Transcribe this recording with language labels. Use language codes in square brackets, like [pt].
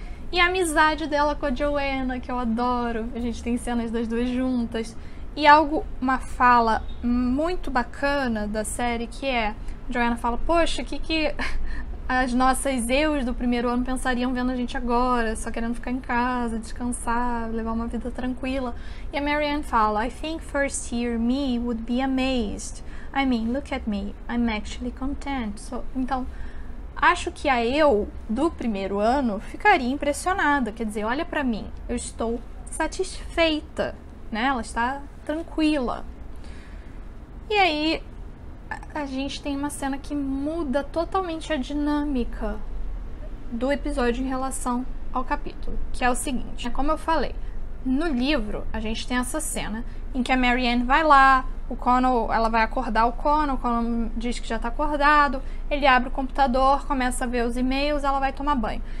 [pt] E a amizade dela com a Joanna, que eu adoro. A gente tem cenas das duas juntas. E algo, uma fala muito bacana da série, que é: Joanna fala, poxa, que as nossas eus do primeiro ano pensariam vendo a gente agora, só querendo ficar em casa, descansar, levar uma vida tranquila. E a Marianne fala, [en] I think first year me would be amazed. I mean, look at me, I'm actually content. [pt] Então, acho que a eu do primeiro ano ficaria impressionada. Quer dizer, olha para mim, eu estou satisfeita, né? Ela está tranquila. E aí, a gente tem uma cena que muda totalmente a dinâmica do episódio em relação ao capítulo, que é o seguinte: como eu falei, no livro a gente tem essa cena em que a Marianne vai lá, o Connell, ela vai acordar o Connell diz que já está acordado, ele abre o computador, começa a ver os e-mails, ela vai tomar banho.